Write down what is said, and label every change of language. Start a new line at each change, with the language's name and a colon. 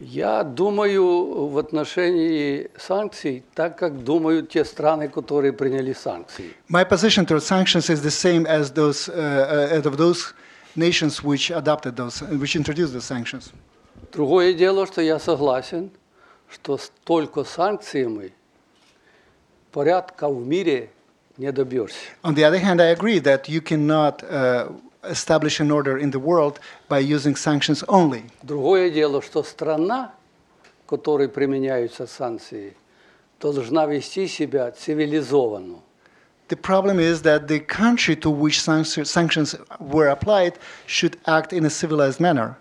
Russian: Я думаю в отношении санкций так, как думают те страны, которые приняли санкции.
English: My position towards sanctions is the same as those of those nations which adopted those, which introduced the sanctions.
Russian: Другое дело, что я согласен, что только санкциями порядка в мире не добьешься.
English: On the other hand, I agree that you cannot establish an order in the world by using sanctions only.
Russian: Другое дело, что страна, которой применяются санкции, должна вести себя цивилизованно.
English: The problem is that the country to which sanctions were applied should act in a civilized manner.